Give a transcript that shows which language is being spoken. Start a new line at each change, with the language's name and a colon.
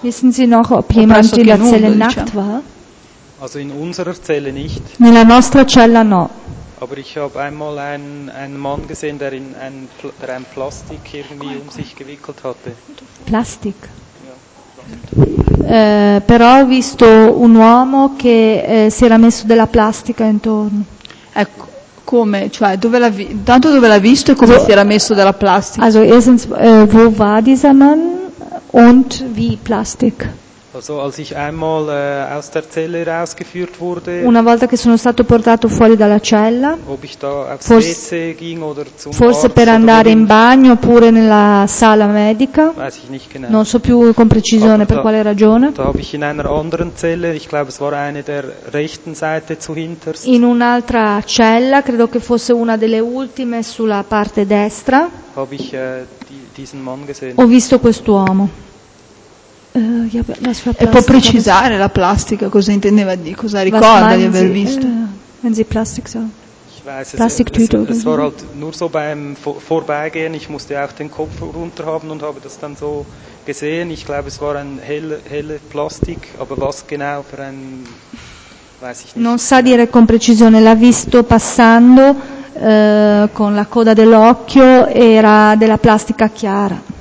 German: Wissen Sie noch, ob jemand in der Zelle nackt war? Also in unserer Zelle nicht.
Italian: Nella nostra cella no.
German: Aber ich habe einmal einen Mann gesehen, der ein Plastik irgendwie um sich gewickelt hatte. Plastik.
Italian: Però ho visto un uomo che si era messo della plastica intorno. Ecco, come, cioè, dove l'ha visto e come si era messo della plastica?
German: Also erstens, wo war dieser Mann und wie Plastik? Also als ich einmal aus der Zelle rausgeführt wurde.
Italian: Una volta che sono stato portato fuori dalla cella.
German: Ob ich da aufs WC ging oder zum Arzt.
Italian: Forse per andare in bagno oppure nella sala medica.
German: Weiß ich nicht genau.
Italian: Non so più con precisione per quale ragione.
German: Da habe ich in einer anderen Zelle, ich glaube es war eine der rechten Seite zu hinterst.
Italian: In un'altra cella, credo che fosse una delle ultime sulla parte destra.
German: Habe ich diesen Mann gesehen.
Italian: Ho visto quest'uomo. E può precisare la plastica cosa intendeva di cosa ricorda di aver visto?
German: Wenn Sie Plastik sagen. Plastiktüte oder? Es war halt nur so beim Vorbeigehen. Ich musste auch den Kopf runter haben und habe das dann so gesehen. Ich glaube, es war ein helle Plastik, aber was genau für ein, weiß ich nicht.
Italian: Non sa dire con precisione. L'ha visto passando con la coda dell'occhio. Era della plastica chiara.